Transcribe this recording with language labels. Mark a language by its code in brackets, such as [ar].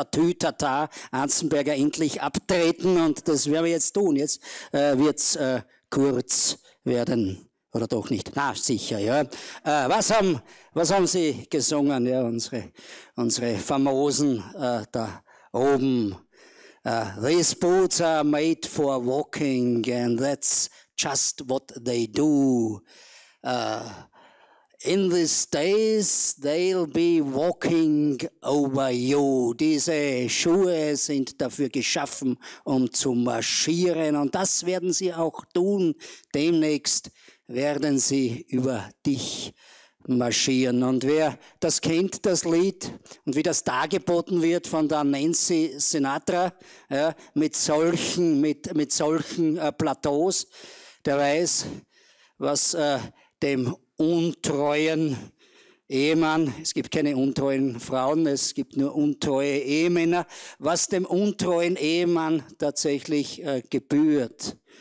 [de] Tatü, tata, Ansenberger endlich abtreten und das werden wir jetzt tun. Jetzt wird es kurz werden. Oder doch nicht? Na, sicher, ja. Was haben Sie gesungen, ja, unsere Famosen da oben? [en] These boots are made for walking and that's just what they do. In these days they'll be walking over you. [de] Diese Schuhe sind dafür geschaffen, um zu marschieren. Und das werden sie auch tun. Demnächst werden sie über dich marschieren. Und wer das kennt, das Lied, und wie das dargeboten wird von der Nancy Sinatra, ja, mit solchen Plateaus, der weiß, was dem untreuen Ehemann, es gibt keine untreuen Frauen, es gibt nur untreue Ehemänner, was dem untreuen Ehemann tatsächlich gebührt.